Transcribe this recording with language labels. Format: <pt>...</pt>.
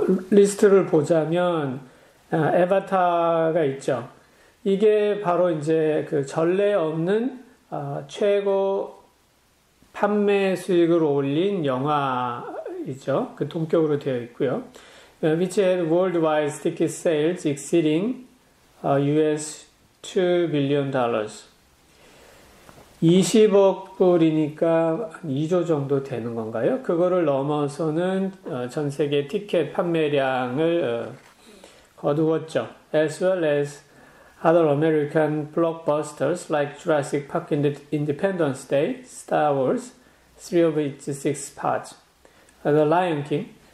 <ko>리스트를 보자면 에바타가 있죠. 이게 바로 이제 그 전례 없는 최고 판매 수익을 올린 영화이죠. 그 동격으로 되어 있고요.</ko> <en>Which had worldwide ticket sales exceeding US $2 billion.</en> <ko>20억 불이니까 2조 정도 되는 건가요? 그거를 넘어서는 전 세계 티켓 판매량을 거두었죠.</ko> <en>As well as other American blockbusters like Jurassic Park, Independence Day, Star Wars, Three of Its Six Parts, The Lion King.</en>